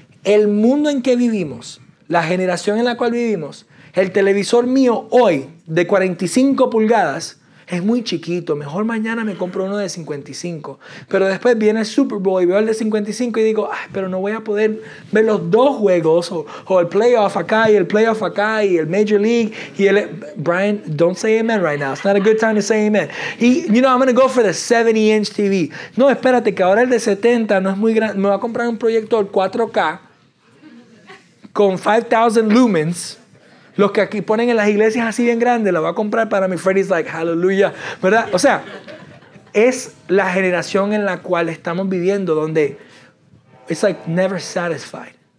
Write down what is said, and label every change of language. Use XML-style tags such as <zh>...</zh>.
<es>El mundo en que vivimos, la generación en la cual vivimos, el televisor mío hoy de 45 pulgadas es muy chiquito. Mejor mañana me compro uno de 55. Pero después viene el Super Bowl y veo el de 55 y digo, ay, pero no voy a poder ver los dos juegos o el playoff acá y el playoff acá y el Major League. Y el</es> <en>Brian, don't say amen right now. It's not a good time to say amen. He, you know, I'm going to go for the 70-inch TV.</en> <es>No, espérate, que ahora el de 70 no es muy grande. Me voy a comprar un proyector 4K. Con 5,000 lumens, los que aquí ponen en las iglesias así bien grandes, la voy a comprar para mi</es> <en>friend. He's like, hallelujah,</en> <es>¿verdad? O sea, es la generación en la cual estamos viviendo donde</es> <en>it's like never satisfied.</en>